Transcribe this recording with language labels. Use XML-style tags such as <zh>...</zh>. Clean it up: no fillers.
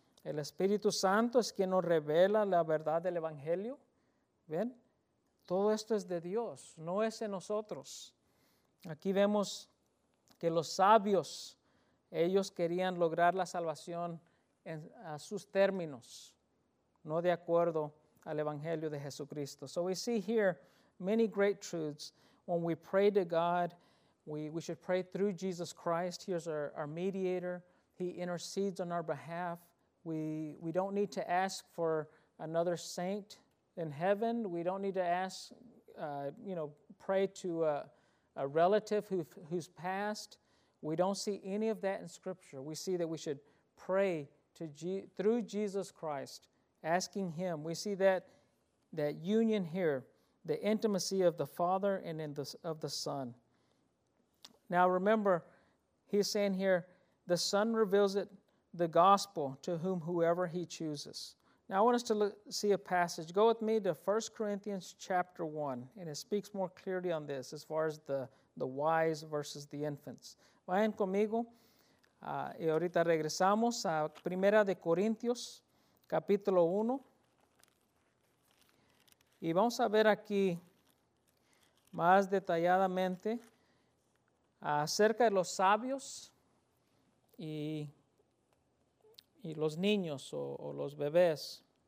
<es>El Espíritu Santo es quien nos revela la verdad del Evangelio. ¿Ven? Todo esto es de Dios, no es en nosotros. Aquí vemos que los sabios, ellos querían lograr la salvación a sus términos, no de acuerdo al Evangelio de Jesucristo.</es> <en>So we see here many great truths. When we pray to God, we should pray through Jesus Christ. He is our mediator. He intercedes on our behalf. We don't need to ask for another saint in heaven. We don't need to ask, pray to a relative who's passed. We don't see any of that in Scripture. We see that we should pray through Jesus Christ, asking Him. We see that union here, the intimacy of the Father and of the Son. Now remember, He's saying here, the Son reveals it, the gospel, to whom whoever He chooses. Now I want us to see a passage. Go with me to 1 Corinthians chapter 1, and it speaks more clearly on this as far as the wise versus the infants.</en> <es>Vayan conmigo, y ahorita regresamos a Primera de Corintios, capítulo 1. Y vamos a ver aquí más detalladamente acerca de los sabios y los niños o los bebés.</es>